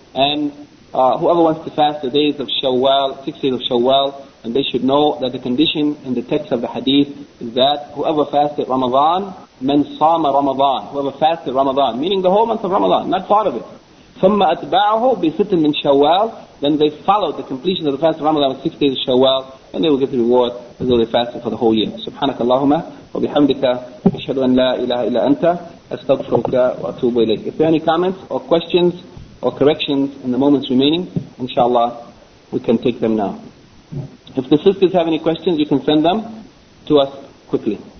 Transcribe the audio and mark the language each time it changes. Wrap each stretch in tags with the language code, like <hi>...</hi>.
<en>And whoever wants to fast the days of Shawwal, 6 days of Shawwal, and they should know that the condition in the text of the hadith is that whoever fasted Ramadan,</en> <ar>من صام رمضان,</ar> <en>whoever fasted Ramadan, meaning the whole month of Ramadan, not part of it.</en> <ar>ثم أتبعه بست من شوال,</ar> <en>then they followed the completion of the fast of Ramadan with 6 days of Shawwal, and they will get the reward as though they fasted for the whole year.</en> <ar>سبحانك اللهم وبحمدك أشهد أن لا إله إلا أنت أستغفرك وأتوب إليك.</ar> <en>If there are any comments or questions or corrections in the moments remaining, inshallah, we can take them now. If the sisters have any questions, you can send them to us quickly.</en>